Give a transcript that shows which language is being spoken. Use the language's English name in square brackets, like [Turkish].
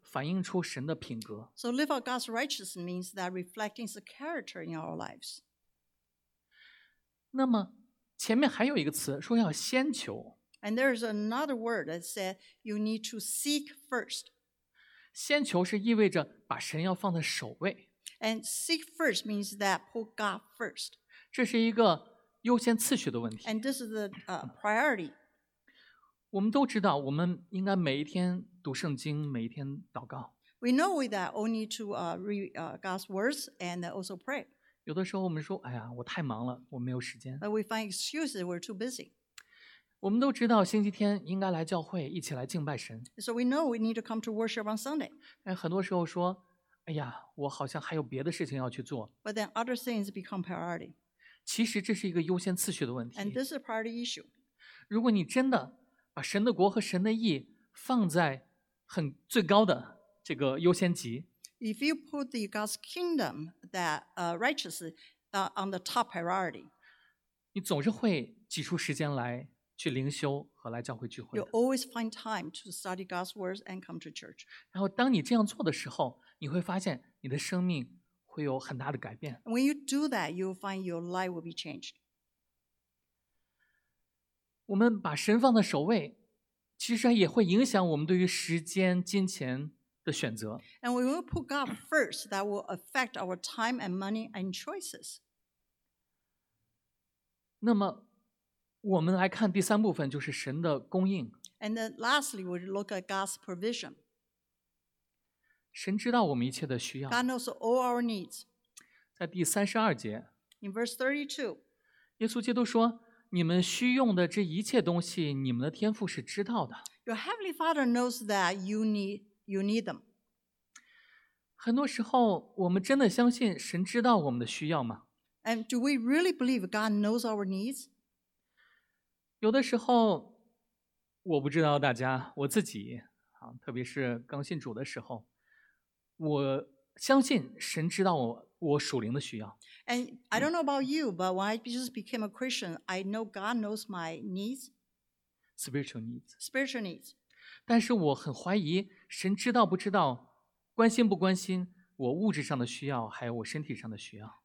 [Chinese] 反映出神的品格。 [English] So live out God's righteousness means that reflecting the character in our lives. [Chinese] 那么前面还有一个词说要先求。 [English] And there's another word that said you need to seek first. [Chinese] 先求是意味着把神要放在首位。 [English] And seek first means that put God first. [Chinese] 这是一个优先次序的问题。 [English] And this is the priority. [Chinese] 我们都知道我们应该每一天读圣经，每一天祷告。 [English] We know that we need to read God's words and also pray. [Chinese] 有的时候我们说，哎呀，我太忙了，我没有时间。 [English] But we find excuses, we're too busy. [Chinese] 我们都知道星期天应该来教会，一起来敬拜神。 [English] So we know we need to come to worship on Sunday. [Chinese] 但很多时候说，哎呀，我好像还有别的事情要去做。 [English] But then other things become priority. [Chinese] 其实这是一个优先次序的问题。 [English] And this is a priority issue. [Chinese] 如果你真的把神的国和神的义放在很最高的这个优先级。 [English] If you put the God's kingdom that righteousness on the top priority, [Chinese] 你总是会挤出时间来去灵修和来教会聚会。 [English] You always find time to study God's words and come to church. [Chinese] 然后当你这样做的时候，你会发现你的生命会有很大的改变。 [English] When you do that, you'll find your life will be changed. [Chinese] 我们把神放在首位。其实也会影响我们对于时间、金钱的选择。 [English] And when we put God first, that will affect our time and money and choices. [Chinese] 那么，我们来看第三部分，就是神的供应。 [English] And then lastly, we look at God's provision. [Chinese] 神知道我们一切的需要。 [English] God knows all our needs. [Chinese] 在第三十二节。 [English] In verse 32. [Chinese] 耶稣基督说，你们需用的这一切东西，你们的天父是知道的。 [English] Your heavenly Father knows that you need them. [Chinese] 很多时候，我们真的相信神知道我们的需要吗 [English] ？And do we really believe God knows our needs? [Chinese] 有的时候，我不知道大家，我自己啊，特别是刚信主的时候，我相信神知道我属灵的需要。 [English] And I don't know about you, but when I just became a Christian, I know God knows my needs. Spiritual needs. Spiritual needs. [Chinese] 但是我很怀疑神知道不知道，关心不关心我物质上的需要，还有我身体上的需要。